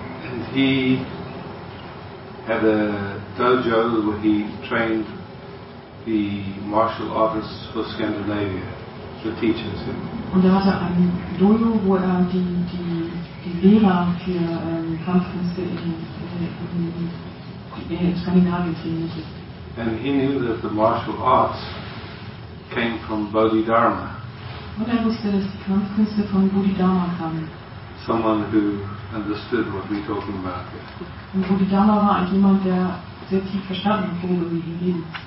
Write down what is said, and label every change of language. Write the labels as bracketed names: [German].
[English] And he had a dojo where he trained the martial artists for Scandinavia, the teachers. [German] Und er hatte ein Dojo, wo er die Lehrer für Kampfkünste in Skandinavien trainierte. [English] And he knew that the martial arts came from Bodhidharma. [German] Und er wusste, dass die Kampfkünste von Bodhidharma kamen. [English] Someone who understood what we're talking about. [German] Und Bodhidharma war jemand, der sehr tief verstanden hat, worüber wir hier reden.